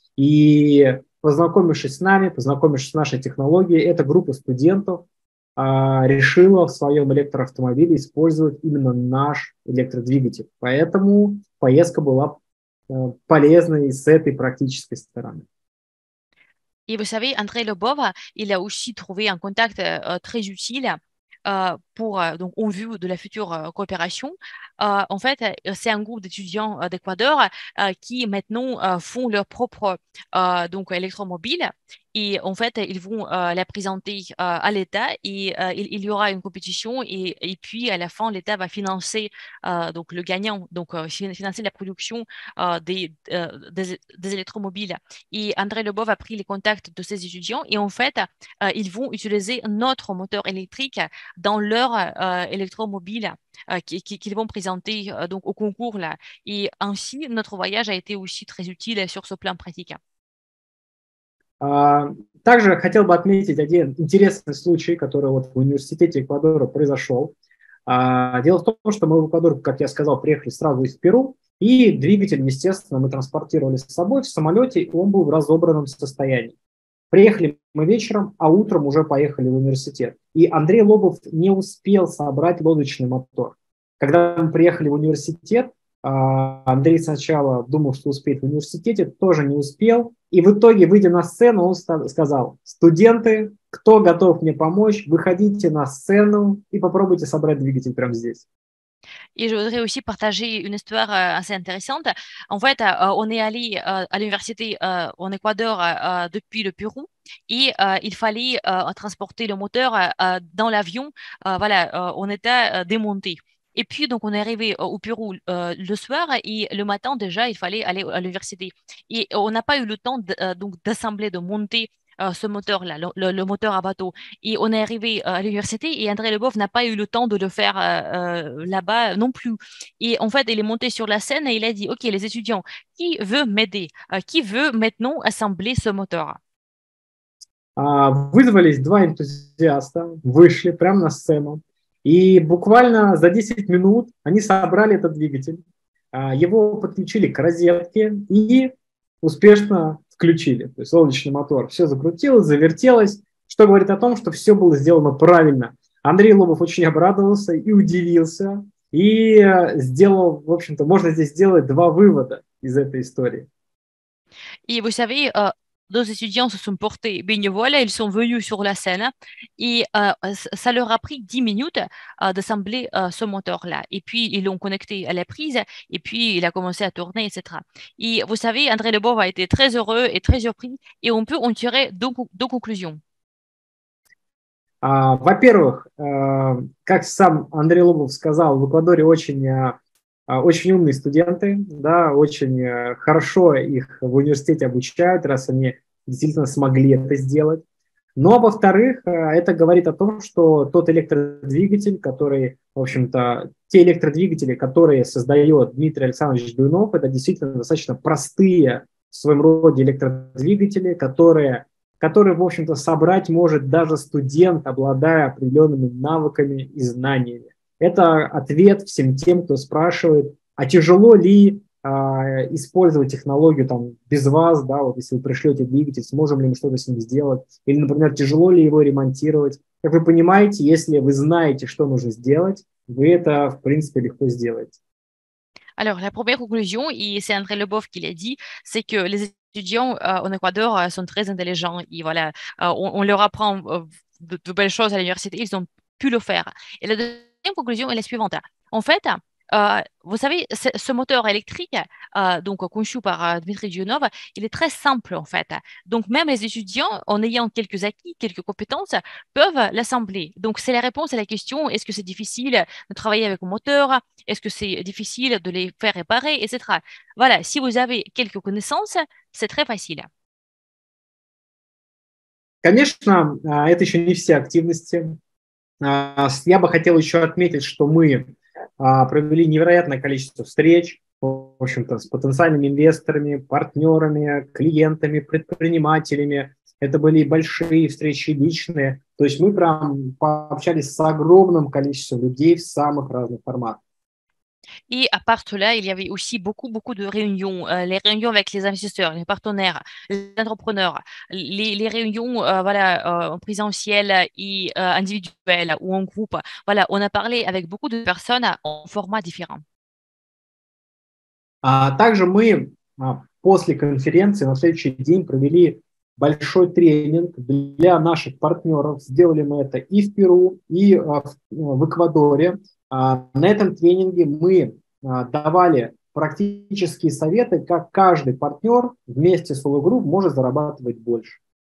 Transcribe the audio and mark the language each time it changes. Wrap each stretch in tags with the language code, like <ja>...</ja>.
<ru>И познакомившись с нами, познакомившись с нашей технологией, эта группа студентов решила в своем электроавтомобиле использовать именно наш электродвигатель. Поэтому поездка была полезной с этой практической стороны. И вы знаете,</ru> <fr>Андрей Лобова, il a aussi trouvé un contact très utile pour, donc, en vue de la future coopération. En fait, c'est un groupe d'étudiants d'Équateur qui maintenant font leur propre donc, électromobile. Et en fait, ils vont la présenter à l'État et il y aura une compétition. Et puis, à la fin, l'État va financer donc, le gagnant, donc financer la production des électromobiles. Et André Lebov a pris les contacts de ces étudiants. Et en fait, ils vont utiliser notre moteur électrique dans leur électromobile qu'ils vont présenter donc, au concours. Là. Et ainsi, notre voyage a été aussi très utile sur ce plan pratique.</fr> <ru>Также хотел бы отметить один интересный случай, который вот в университете Эквадора произошел. Дело в том, что мы в Эквадор, как я сказал, приехали сразу из Перу, и двигатель, естественно, мы транспортировали с собой в самолете, и он был в разобранном состоянии. Приехали мы вечером, а утром уже поехали в университет. И Андрей Лобов не успел собрать лодочный мотор. Когда мы приехали в университет, Андрей сначала думал, что успеет в университете, тоже не успел. И в итоге, выйдя на сцену, он сказал: студенты, кто готов мне помочь, выходите на сцену и попробуйте собрать двигатель прямо здесь.</ru> <fr>Et je voudrais aussi partager une histoire assez intéressante. En fait, on est allé à l'université en Équateur depuis le Pérou et il fallait transporter le moteur dans l'avion. Voilà, on était démonté. Et puis, donc, on est arrivé au Pérou le soir et le matin, déjà, il fallait aller à l'université. Et on n'a pas eu le temps donc, d'assembler, de monter ce moteur-là, le moteur à bateau. Et on est arrivé à l'université et André Lebov n'a pas eu le temps de le faire là-bas non plus. Et en fait, il est monté sur la scène et il a dit, OK, les étudiants, qui veut m'aider? Qui veut maintenant assembler ce moteur?</fr> <ru>Вызвались два энтузиаста, вышли прямо на сцену. И буквально за 10 минут они собрали этот двигатель, его подключили к розетке и успешно включили. То есть лодочный мотор все закрутилось, завертелось, что говорит о том, что все было сделано правильно. Андрей Лобов очень обрадовался и удивился, и сделал, в общем-то, можно здесь сделать два вывода из этой истории. И вы знаете,</ru> <fr>nos étudiants se sont portés bénévoles, ils sont venus sur la scène et ça leur a pris 10 minutes d'assembler ce moteur-là. Et puis, ils l'ont connecté à la prise et puis il a commencé à tourner, etc. Et vous savez, André Lebov a été très heureux et très surpris et on peut en tirer deux conclusions.</fr> <ru>Во-первых, как сам Андрей Лобов сказал, в Эквадоре очень умные студенты, да, очень хорошо их в университете обучают, раз они действительно смогли это сделать. Ну, а во-вторых, это говорит о том, что тот электродвигатель, который, в общем-то, те электродвигатели, которые создает Дмитрий Александрович Дуйнов, это действительно достаточно простые в своем роде электродвигатели, которые, в общем-то, собрать может даже студент, обладая определенными навыками и знаниями. Это ответ всем тем, кто спрашивает, а тяжело ли использовать технологию там, без вас, да, вот если вы пришлете двигатель, сможем ли мы что-то с ним сделать, или, например, тяжело ли его ремонтировать. Как вы понимаете, если вы знаете, что нужно сделать, вы это, в принципе, легко сделаете.</ru> <fr>Alors, la première conclusion, et c'est André Lebov qui l'a dit, c'est que les étudiants en Équateur sont très intelligents, et voilà, on leur apprend de belles choses à l'université, ils ont pu le faire. Et la conclusion est la suivante. En fait, Vous savez, ce moteur électrique, donc conçu par Dmitri Dionov, il est très simple en fait. Donc même les étudiants, en ayant quelques acquis, quelques compétences, peuvent l'assembler. Donc c'est la réponse à la question, est-ce que c'est difficile de travailler avec un moteur? Est-ce que c'est difficile de les faire réparer, etc. Voilà, si vous avez quelques connaissances, c'est très facile.</fr> <ru>Конечно, это еще не все активности. Я бы хотел еще отметить, что мы провели невероятное количество встреч, в общем-то, с потенциальными инвесторами, партнерами, клиентами, предпринимателями. Это были большие встречи личные. То есть мы прям пообщались с огромным количеством людей в самых разных форматах.</ru> <fr>Et à part cela, il y avait aussi beaucoup, beaucoup de réunions. Les réunions avec les investisseurs, les partenaires, les entrepreneurs, les réunions en présentiel et individuelles ou en groupe. Voilà, on a parlé avec beaucoup de personnes en format différent.</fr> <ru>Также мы после конференции на следующий день провели большой тренинг для наших партнеров. Сделали мы это и в Перу, и в Эквадоре. На этом тренинге мы давали практические советы, как каждый партнер вместе с Solo Group может зарабатывать больше.</ru>